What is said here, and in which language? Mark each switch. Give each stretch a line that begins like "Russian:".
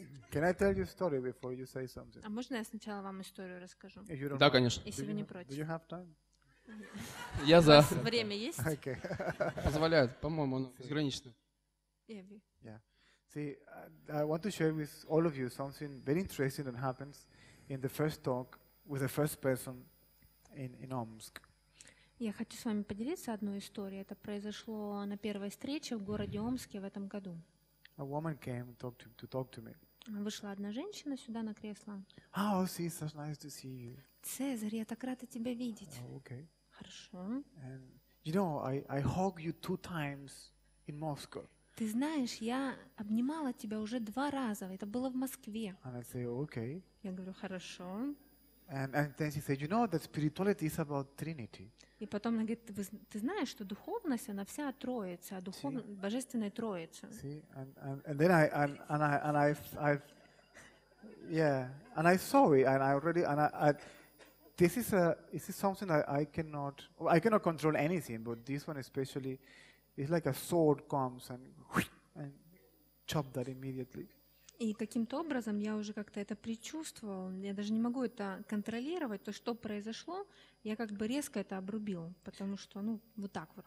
English: Can I tell you a story before you say something?
Russian: А можно я сначала вам историю расскажу? Да, конечно. Если вы не против.
English: Do you have time?
Russian: Я за. Время есть?
English: Okay.
Russian: Позволяет, по-моему, оно безгранично.
English: Yeah. See, I want to share with all of you something very interesting that happens in the first talk with the first person in Omsk.
Russian: Я хочу с вами поделиться одной историей. Это произошло на первой встрече в городе Омске в этом году.
English: A woman came to talk to me.
Russian: Вышла одна женщина сюда на кресло.
English: Oh, see, it's so nice to see you.
Russian: Цезарь, я так рада тебя видеть.
English: Oh, okay.
Russian: Хорошо.
English: And you know, I hugged you two times in Moscow.
Russian: Ты знаешь, я обнимала тебя уже два раза. Это было в Москве.
English: And I say, okay.
Russian: Я говорю, хорошо.
English: And then she said, you know, that spirituality is about Trinity.
Russian: И потом она говорит, ты знаешь, что духовность, она вся о Троице, о Божественной Троице.
English: See, and then I saw it, and I already, this is something that I cannot control anything, but this one especially, it's like a sword comes and chop that immediately.
Russian: И каким-то образом я уже как-то это предчувствовал. Я даже не могу это контролировать. То, что произошло, я как бы резко это обрубил, потому что, ну, вот так вот.